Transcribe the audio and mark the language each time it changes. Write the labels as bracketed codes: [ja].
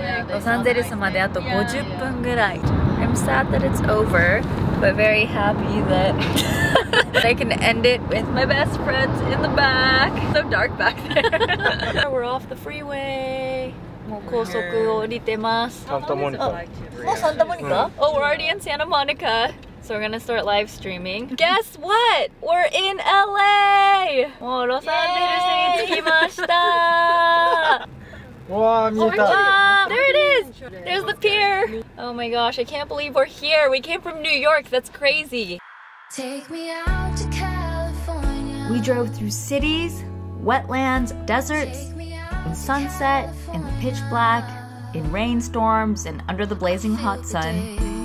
[ja] ロサンゼルスまであと50分ぐらい。 [en] I'm sad that it's over, but very happy that I can end it with my best friends in the back. So dark back there. We're off the freeway. [ja] もう高速を降りてます。サンタモニカ。もうサンタモニカ？ [en] Oh, we're already in Santa Monica. So we're gonna start live streaming. Guess what? We're in LA! [ja] もうロサンゼルスに着きました。わあ、見えた。 [en] There it is! There's the pier! Oh my gosh, I can't believe we're here! We came from New York, that's crazy! Take me out to California. We drove through cities, wetlands, deserts, in sunset, in the pitch black, in rainstorms, and under the blazing hot sun.